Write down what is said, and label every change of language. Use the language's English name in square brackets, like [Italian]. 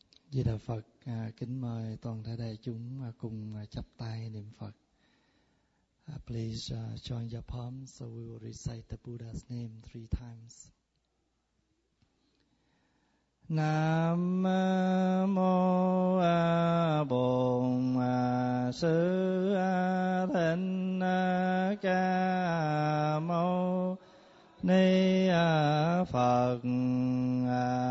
[Vietnamese] Di Đà Phật kính mời toàn thể đại chúng cùng chắp tay niệm Phật. [English] Please join your palms so we will recite the Buddha's name 3 times. [Vietnamese] Nam mô A Bổn Sư Thích Ca Mâu Ni Phật.